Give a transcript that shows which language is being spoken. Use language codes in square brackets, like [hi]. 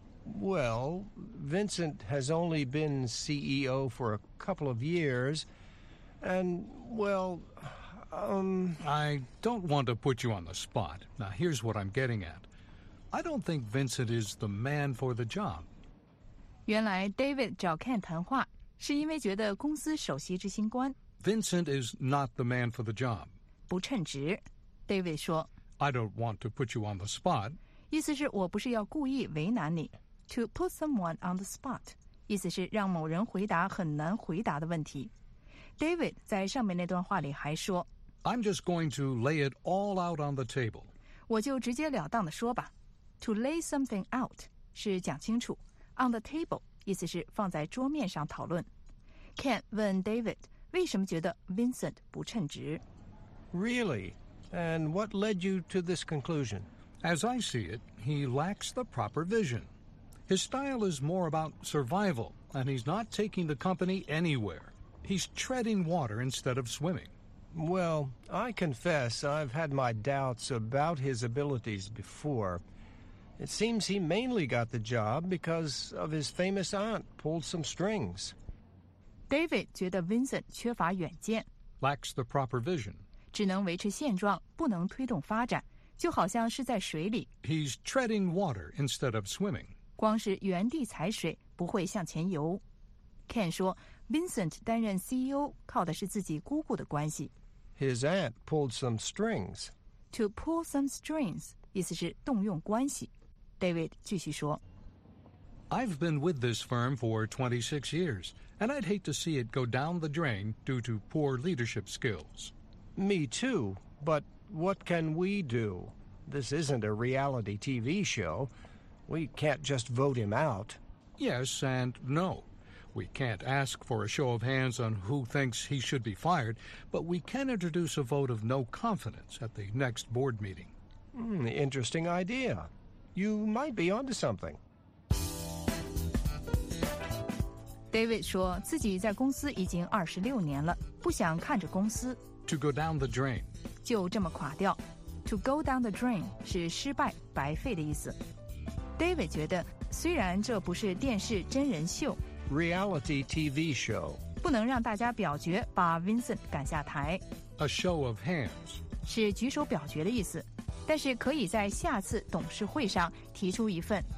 [en] Well, Vincent has only been CEO for a couple of years, and, well, I don't want to put you on the spot. Now, here's what I'm getting at. I don't think Vincent is the man for the job. [zh] 原来 David 找 Ken 谈话是因为觉得公司首席执行官 [en] Vincent is not the man for the job. [zh] 不称职 David 说 [en] I don't want to put you on the spot. [zh] 意思是我不是要故意为难你。 [en] To put someone on the spot, [zh] 意思是让某人回答很难回答的问题。 David 在上面那段话里还说 [en] I'm just going to lay it all out on the table. [zh] 我就直截了当地说吧。 [en] To lay something out [zh] 是讲清楚。 [en] On the table, [zh] 意思是放在桌面上讨论。Ken 问 David, 为什么觉得 Vincent 不称职 [en] Really? And what led you to this conclusion? As I see it, he lacks the proper vision. His style is more about survival, and he's not taking the company anywhere. He's treading water instead of swimming. Well, I confess I've had my doubts about his abilities before. It seems he mainly got the job because of his famous aunt pulled some strings. [zh] David 觉得 Vincent 缺乏远见 [en] Lacks the proper vision. [zh] 只能维持现状，不能推动发展，就好像是在水里 [en] He's treading water instead of swimming. [zh] 光是原地踩水不会向前游 Ken 说 Vincent 担任 CEO 靠的是自己姑姑的关系 [en] His aunt pulled some strings To pull some strings [zh] 意思是动用关系 David 继续说 [en] I've been with this firm for 26 years and I'd hate to see it go down the drain due to poor leadership skills Me too but what can we do? This isn't a reality TV showWe can't just vote him out. Yes and no. We can't ask for a show of hands on who thinks he should be fired, but we can introduce a vote of no confidence at the next board meeting. Interesting idea. You might be onto something. [zh] David 说自己在公司已经26年了，不想看着公司。 [en] To go down the drain. [zh] 就这么垮掉。 To go down the drain 是失败、白费的意思。 David 觉得，虽然这不是电视真人秀 [en] ，reality TV show， [zh] 不能让大家表决把 Vincent 赶下台。 [en] A show of hands [zh] 是举手表决的意思，但是可以在下次董事会上提出一份